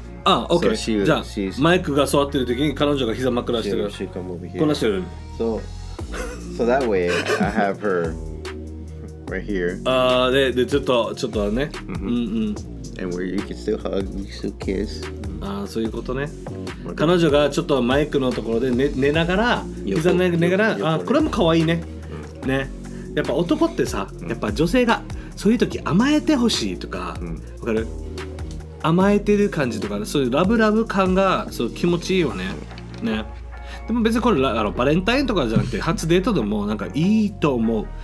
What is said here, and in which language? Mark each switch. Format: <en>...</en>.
<ja>あ、OK、 じゃあマイクが座ってる時に彼女が膝枕してる、</ja> <en>she come over here、</en> <ja>こんなしてる、</ja> <en>so that way I have her right here。</en> <ja>あー、で、ちょっとね、うんうん、</ja> <en>and where you can still hug, you can still kiss。</en> <ja>あ、そういうことね。彼女がちょっとマイクのところで 寝ながら、膝ながら、あ、これも可愛い ね、うん、ね、やっぱ男ってさ、やっぱ女性がそういう時甘えてほしいとか、わ、うん、かる、甘えてる感じとか、ね、そういうラブラブ感がそう気持ちいいよ ね、うん、ね、でも別にこれバレンタインとかじゃなくて初デートでもなんかいいと思う。</ja>